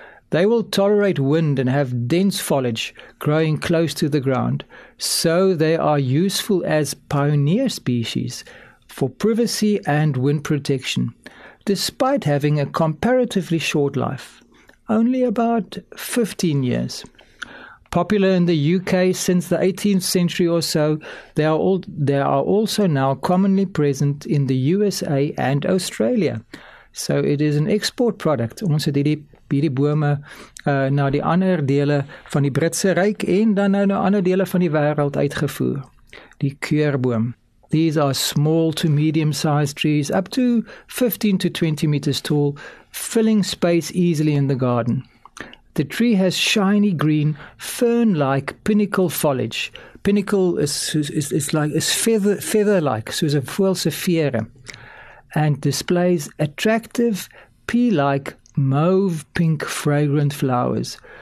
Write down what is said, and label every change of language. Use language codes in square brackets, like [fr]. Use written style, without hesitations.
[en] They will tolerate wind and have dense foliage growing close to the ground, so they are useful as pioneer species for privacy and wind protection, despite having a comparatively short life, only about 15 years. Popular in the UK since the 18th century or so, they are also now commonly present in the USA and Australia, so it is an export product. [af] Ons het hierdie bome na die ander dele van die Britse Ryk en dan nou na ander dele van die wêreld uitgevoer. Die keurboom. [en] These are small to medium-sized trees, up to 15 to 20 meters tall, filling space easily in the garden. The tree has shiny green, fern-like pinnacle foliage. Pinnacle is feather-like, [af] soos 'n voël se vere, [en] and displays attractive, pea-like, mauve pink fragrant flowers.